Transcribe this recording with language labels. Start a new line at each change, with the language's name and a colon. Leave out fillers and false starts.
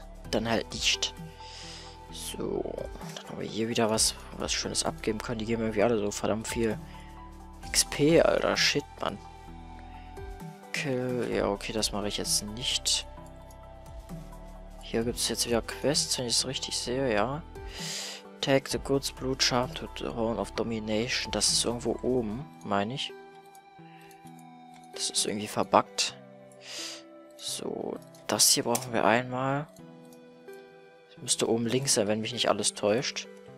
German: Dann halt nicht. So. Dann haben wir hier wieder was Schönes abgeben können. Die geben irgendwie alle so verdammt viel XP, Alter. Shit, Mann. Kill. Ja, okay, das mache ich jetzt nicht. Hier gibt es jetzt wieder Quests, wenn ich es richtig sehe, ja.
English: Take the goods, Blue Charm to the Horn of Domination.
German: Das ist irgendwo oben, meine ich. Das ist irgendwie verbuggt. So, das hier brauchen wir einmal. Das müsste oben links sein, wenn mich nicht alles täuscht.